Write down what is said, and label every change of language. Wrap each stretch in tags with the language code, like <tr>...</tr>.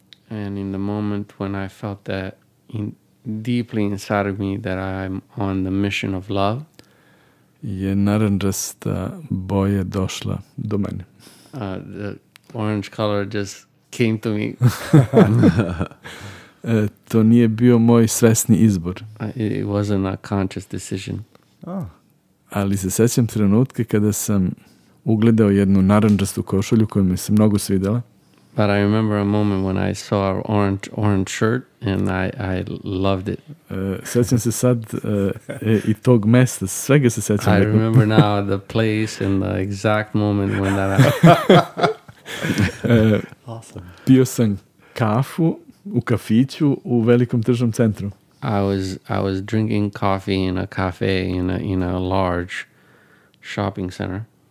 <en>And in the moment when I felt that in deeply inside of me that I'm on the mission of love,</en> <sr>je narandžasta boja došla do mene.</sr> <en>The orange color just came to me.</en> <sr>To nije bio moj svesni izbor.</sr> <en>It wasn't a conscious decision.</en> <sr>Ali se sećam trenutka kada sam ugledao jednu narandžastu košulju koja mi se mnogo svidela.</sr> <en>But I remember a moment when I saw an orange shirt and I loved it.</en> <sr>Sećam se sad i tog mesta, svega se sećam.</sr> <en>I remember now the place and the exact moment when that happened. Awesome.</en> <sr>Pio sam kafu u kafiću u velikom tržnom centru.</sr> <en>I was drinking coffee in a cafe in a large shopping center.</en>